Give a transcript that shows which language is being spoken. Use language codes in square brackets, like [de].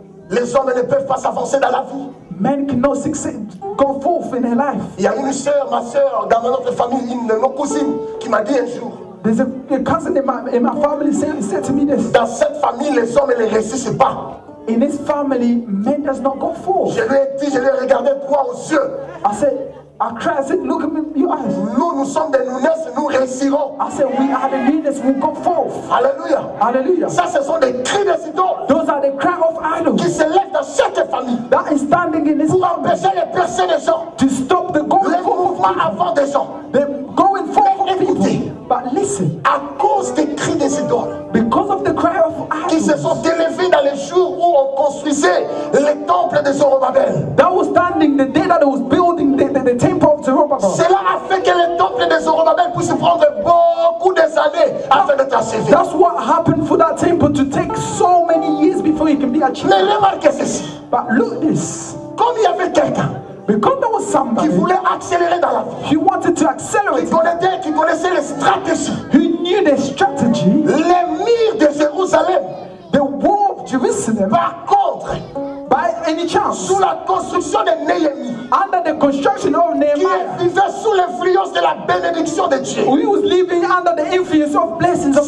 [fr] Les hommes ne peuvent pas s'avancer dans la vie. [en] Men cannot succeed, go forth in their life. [fr] Il y a une sœur, ma sœur, dans ma notre famille, une de nos cousines, qui m'a dit un jour. [en] There's a cousin in my family said to me this. [fr] Dans cette famille, les hommes ne réussissent pas. [en] In this family, men does not go forth. [fr] Je lui ai dit, je lui ai regardé droit aux yeux. [en] I said, I cried, I said, look at me in your eyes. [fr] Nous sommes des nounesses, nous réussirons. [en] I said, we are the leaders, we go forth. [fr] Alléluia. [en] Alléluia. [fr] Ça, ce sont des cris des idoles. [en] Those are the cry of idols. [fr] Qui se lèvent dans cette famille. [en] That is standing in this [fr] pour [en] family. [fr] Pour empêcher les percées des gens. [en] To stop the going [fr] les [en] forth. [fr] Les mouvements avant des gens. [en] The going forth of people. [fr] Écoutez. [en] But listen, [fr] à cause des cris des idoles, [en] because of the cry of idols, [fr] qui se sont élevés dans les jours où on construisait le temple de Zorobabel, [en] that was standing the day that it was building the the temple of Zerubbabel. [fr] Cela a fait que le temple de Zerubbabel puisse prendre beaucoup des années afin d'être achevé. [en] That's what happened for that temple to take so many years before it can be achieved. [fr] Mais remarquez ceci. [en] But look this. [fr] Comme il y avait quelqu'un. [en] Because there was somebody [fr] qui voulait accélérer dans la vie. [en] He wanted to accelerate. [fr] Qui connaissait les stratégies. [en] He knew the strategy. [fr] Les murs de Jérusalem. [en] The wall of Jerusalem. [fr] Par contre. [en] By any chance, [fr] sous la construction de Néhémie, [en] under the construction of Nehemiah, [fr] qui vivait sous l'influence de la bénédiction de Dieu, [en] he was living under the influence of blessings of